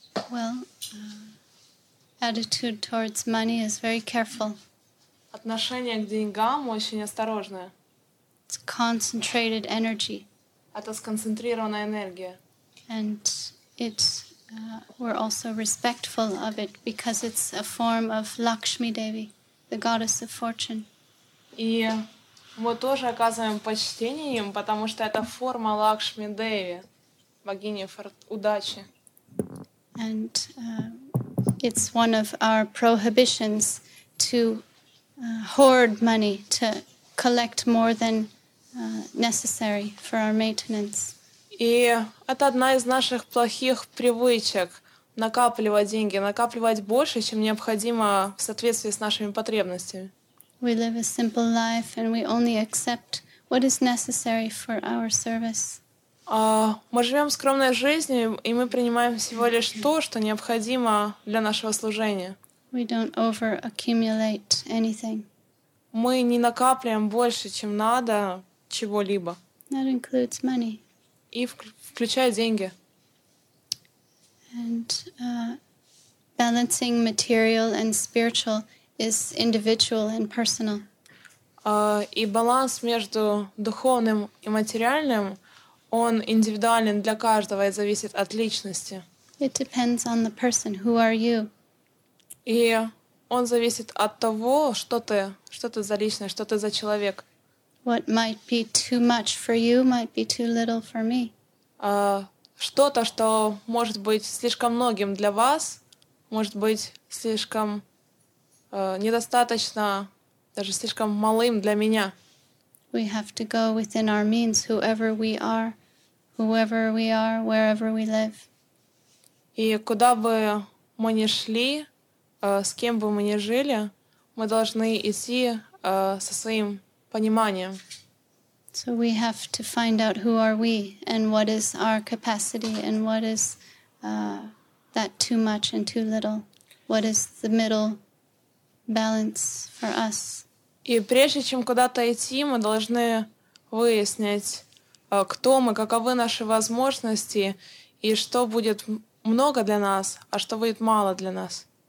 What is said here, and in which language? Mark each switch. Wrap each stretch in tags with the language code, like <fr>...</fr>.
<en>Well, attitude towards money is very careful.</en> <ru>Отношение к деньгам очень осторожное.</ru> <en>It's concentrated energy.</en> <ru>Это сконцентрированная энергия.</ru> <en>And it We're also respectful of it because it's a form of Lakshmi Devi, the goddess of fortune.</en> <ru>И мы тоже оказываем почтение им, потому что это форма Лакшми Деви, богини удачи.</ru> <en>And it's one of our prohibitions to hoard money, to collect more than necessary for our maintenance.</en> <ru>И это одна из наших плохих привычек — накапливать деньги, накапливать больше, чем необходимо в соответствии с нашими потребностями.</ru> <en>We live a simple life, and we only accept what is necessary for our service.</en> <ru>Мы живем скромной жизнью, и мы принимаем всего лишь то, что необходимо для нашего служения.</ru> <en>We don't over-accumulate anything.</en> <ru>Мы не накапливаем больше, чем надо, чего-либо.</ru> <en>That includes money.</en> <ru>И включает деньги.</ru> <en>And balancing material and spiritual is individual and personal.</en> <ru>И баланс между духовным и материальным, он индивидуален для каждого и зависит от личности.</ru> <en>It depends on the person. Who are you?</en> <ru>И он зависит от того, что ты за личность, что ты за человек.</ru> <en>What might be too much for you might be too little for me.</en> <ru>Что-то, что может быть слишком многим для вас, может быть слишком недостаточно, даже слишком малым для меня.</ru> <en>We have to go within our means, whoever we are, wherever we live.</en> <ru>И куда бы мы ни шли, с кем бы мы ни жили, мы должны идти со своим пониманием.</ru> <en>So we have to find out who are we and what is our capacity and what is that too much and too little. What is the middle balance for us?</en> <ru>И прежде чем куда-то идти, мы должны выяснить, кто мы, каковы наши возможности и что будет много для нас, а что будет мало для нас.</ru>